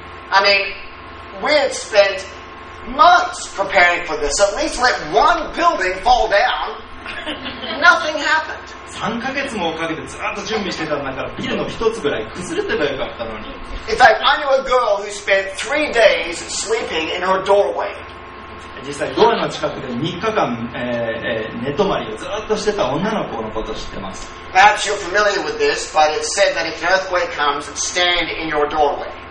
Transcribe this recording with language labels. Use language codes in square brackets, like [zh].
[en] I mean, we had spent months preparing for this. At least let one building fall down. Nothing happened. [ja] 3ヶ月もかけてずっと準備してたんだから、ビルの一つぐらい崩れてればよかったのに。 [en] In fact, I knew a girl who spent 3 days sleeping in her doorway. [ja] 実際ドアの近くで3日間、寝泊まりをずっとしてた女の子のことを知ってます。 [en] Perhaps you're familiar with this, but it's said that if an earthquake comes, stand in your doorway.